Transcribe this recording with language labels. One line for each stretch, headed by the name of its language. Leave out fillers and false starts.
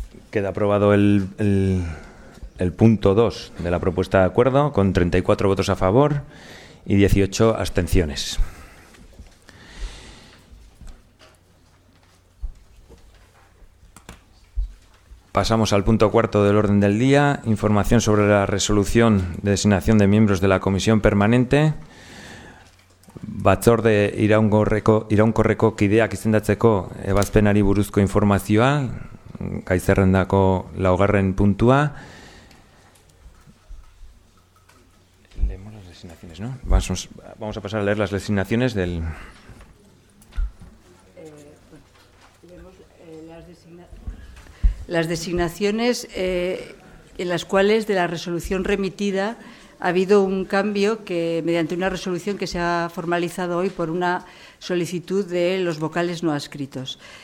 Spanish: Queda aprobado el punto 2 de la propuesta de acuerdo con 34 votos a favor y 18 abstenciones. Pasamos al punto 4 del orden del día, información sobre la resolución de designación de miembros de la comisión permanente.
Basque: Batzorde iraunkorreko kideak izendatzeko ebazpenari buruzko informazioa, gai zerrendako laugarren puntua.
Spanish: Leemos las designaciones, ¿no? Vamos a pasar a leer las designaciones del... Las designaciones en las cuales de la resolución remitida ha habido un cambio que mediante una resolución que se ha formalizado hoy por una solicitud de los vocales no adscritos.